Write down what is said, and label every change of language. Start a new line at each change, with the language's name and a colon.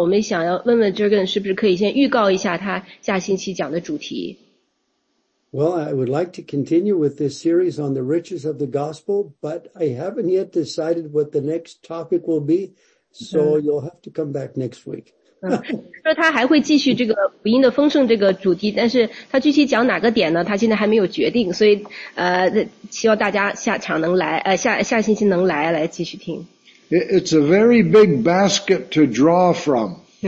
Chinese: 我们想要问问 Jurgen 是不是可以先预告一下他下星期讲的主题。
English: Well, I would like to continue with this series on the riches of the gospel, but I haven't yet decided what the next topic will be, so you'll have to come back next week.
Chinese: 说他还会继续这个福音的丰盛这个主题，但是他具体讲哪个点呢？他现在还没有决定，所以希望大家下场能来，下星期能来继续听。
English: It's a very big basket to draw from.